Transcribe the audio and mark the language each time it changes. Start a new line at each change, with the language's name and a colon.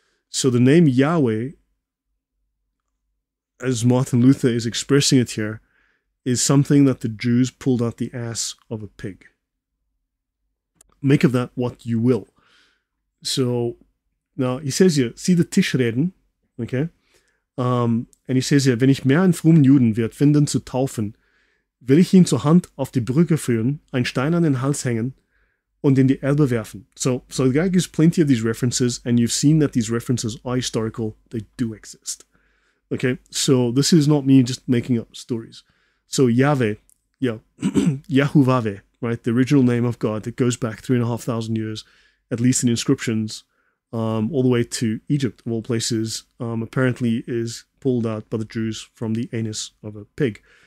English: So the name Yahweh, as Martin Luther is expressing it here, is something that the Jews pulled out the ass of a pig. Make of that what you will. So now he says here, see the Tischreden, okay? And he says here,
German: wenn ich mehr einen frommen Juden wird finden zu taufen, will ich ihn zur Hand auf die Brücke führen, ein Stein an den Hals hängen und in die Elbe werfen.
English: So the guy gives plenty of these references, and you've seen that these references are historical. They do exist. Okay, so this is not me just making up stories. So Yahweh, yeah, Yahuwave, right? The original name of God that goes back 3,500 years, at least in inscriptions, all the way to Egypt, of all places, apparently is pulled out by the Jews from the anus of a pig.